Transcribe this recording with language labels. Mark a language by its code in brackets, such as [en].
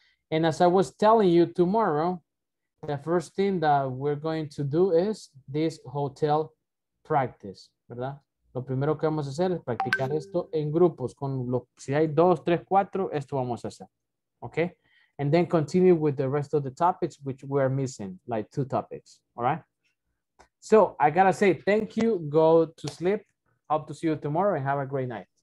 [en] And as I was telling you, tomorrow, the first thing that we're going to do is this hotel practice, ¿verdad? [es] Lo primero que vamos a hacer es practicar esto en grupos. Con lo, si hay dos, tres, cuatro, esto vamos a hacer. [en] Okay? And then continue with the rest of the topics which we're missing, like two topics. All right? So I gotta say thank you. Go to sleep. Hope to see you tomorrow and have a great night.